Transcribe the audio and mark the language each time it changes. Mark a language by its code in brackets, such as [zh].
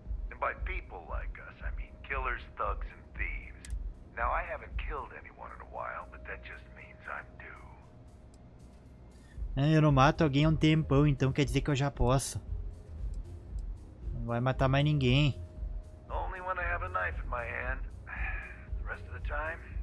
[en] And by people like us, I mean killers, thugs and thieves. Now I haven't killed anyone in a while, but that just means I'm due. [pt] Eu não mato alguém há um tempão, então quer dizer que eu já posso. Não vai matar mais ninguém. [en] Only when I have a knife in my hand. The rest of the time.